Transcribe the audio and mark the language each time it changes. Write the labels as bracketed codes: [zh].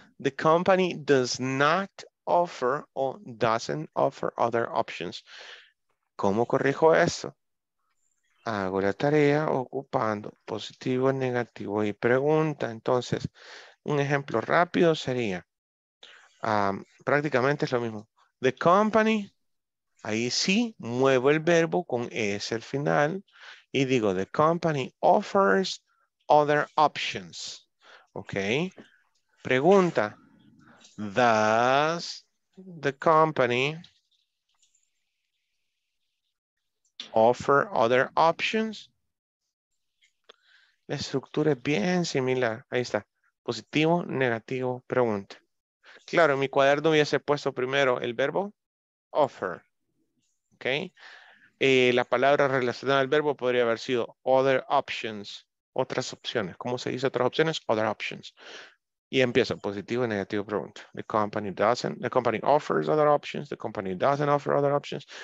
[en] The company does not offer or doesn't offer other options. [es] ¿Cómo corrijo eso? Hago la tarea ocupando positivo, negativo y pregunta. Entonces, un ejemplo rápido sería, prácticamente es lo mismo. [en] The company. [es] Ahí sí, muevo el verbo con S al final y digo, [en] the company offers other options. [es] Ok. Pregunta. [en] Does the company offer other options? [es] La estructura es bien similar. Ahí está. Positivo, negativo, pregunta. Claro, en mi cuaderno hubiese puesto primero el verbo offer. Ok, la palabra relacionada al verbo podría haber sido [en] other options, [es] otras opciones. ¿Cómo se dice otras opciones? [en] Other options. [es] Y empiezo, positivo y negativo pregunta. [en] The company doesn't, the company offers other options, the company doesn't offer other options.